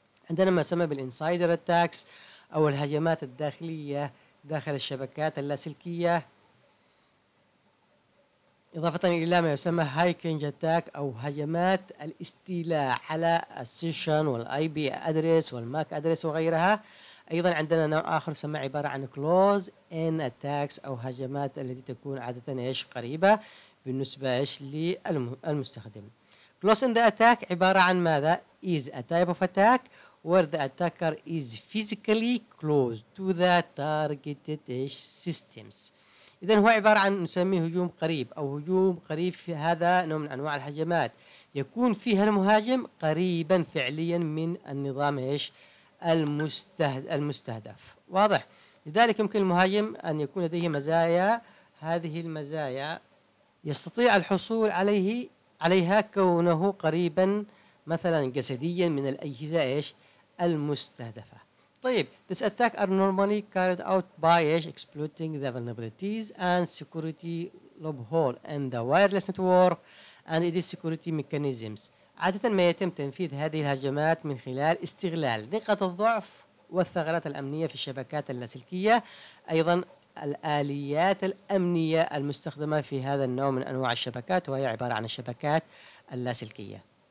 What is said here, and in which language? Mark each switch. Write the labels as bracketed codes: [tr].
[ar] عندنا ما يسمى بالinsider attacks أو الهجمات الداخلية داخل الشبكات اللاسلكية، إضافة إلى ما يسمى hacking attack أو هجمات الاستيلاء على السيشن والاي بي أدريس والماك أدريس وغيرها. أيضا عندنا نوع آخر سمى عبارة عن close in attacks أو هجمات التي تكون عادة إيش قريبة بالنسبة إيش للمستخدم. [en] close in the attack [ar] عبارة عن ماذا؟ [en] is a type of attack where the attacker is physically close to the targeted systems. [ar] إذن هو عبارة عن نسميه هجوم قريب أو هجوم قريب، في هذا نوع من أنواع الهجمات يكون فيها المهاجم قريبا فعليا من النظام المستهدف. واضح؟ لذلك يمكن المهاجم أن يكون لديه مزايا، هذه المزايا يستطيع الحصول عليها كونه قريبا مثلا جسديا من الأجهزة المستهدفة. طيب [en] this attack are normally carried out by exploiting the vulnerabilities and security loophole in the wireless network and its security mechanisms. [ar] عادة ما يتم تنفيذ هذه الهجمات من خلال استغلال نقاط الضعف والثغرات الأمنية في الشبكات اللاسلكية، أيضا الآليات الأمنية المستخدمة في هذا النوع من أنواع الشبكات، وهي عبارة عن الشبكات اللاسلكية.